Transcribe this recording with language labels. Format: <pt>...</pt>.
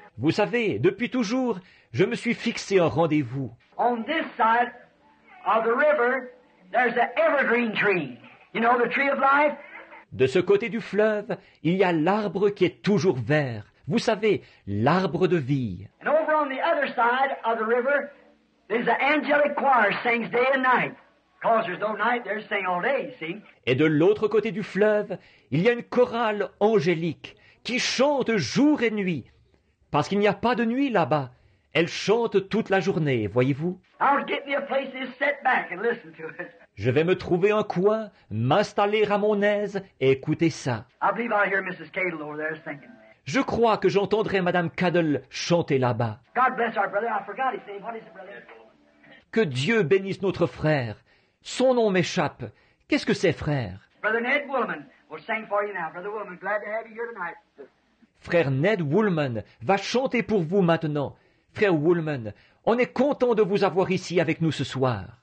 <fr>Vous savez, depuis toujours, je me suis fixé un rendez-vous.</fr> <en>On this side of the river, there's an evergreen tree. You know, the tree of life?</en> <fr>De ce côté du fleuve, il y a l'arbre qui est toujours vert. Vous savez, l'arbre de vie.</fr> <en>And over on the other side of the river, there's an angelic choir sings day and night. Because there's no night, they're singing all day, see?</en> <fr>Et de l'autre côté du fleuve, il y a une chorale angélique qui chante jour et nuit. Parce qu'il n'y a pas de nuit là-bas. Elle chante toute la journée, voyez-vous.</fr> <en>I'll get me a place to sit back and listen to it.</en> <fr>Je vais me trouver un coin, m'installer à mon aise et écouter ça.</fr> <en>I believe I hear Mrs. Cadle over there singing.</en> <fr>Je crois que j'entendrai Madame Cadle chanter là-bas.</fr> <en>God bless our brother. I forgot his name. What is it, brother?</en> <fr>Que Dieu bénisse notre frère. Son nom m'échappe. Qu'est-ce que c'est, frère?</fr> <en>Brother Ned Woolman will sing for you now. Brother Woolman, glad to have you here tonight.</en> <fr>Frère Ned Woolman va chanter pour vous maintenant. Frère Woolman, on est content de vous avoir ici avec nous ce soir.</fr>